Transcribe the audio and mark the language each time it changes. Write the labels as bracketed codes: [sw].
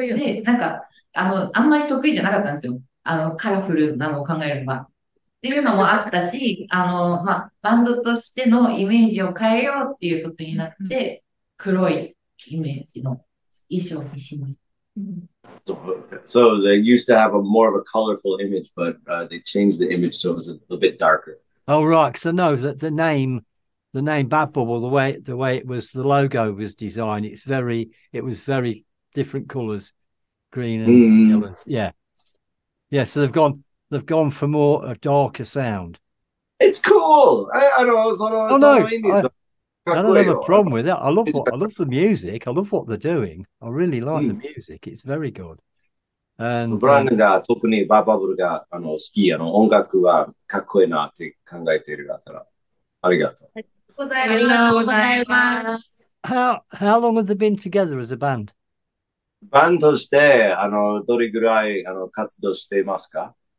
[ja] でなんかあのあんまり得意じゃなかったんですよ、あのカラフルなのを考えるのが。っていうのもあったし、あの、まあ、バンドとしてのイメージを変えようっていうことになって、うん、黒いイメージの衣装にしました。 [en] So they used to have a more of a colorful image, but、they changed the image so it was a little bit darker. Oh, right. So no, that the name BabBubble, the way it was, the logo was designed, it's very, it was very different colors, green and、mm. yellow. Yeah. Yeah, so they've gone for more a darker sound. It's cool. I don't know. So, oh, no. I don't have a problem with it. I love the music. I love what they're doing. I really like、mm. the music. It's very good. And, [ja] so, Brandon が特にバーバブルがあの好き、あの音楽はかっこいいなって考えているから。ありがとう。ありがとうございます。ありがとうございます。ありがとうます。 [en] How long have they been together as a band? [ja] バンドとしてあのどれぐらいあの活動していますか?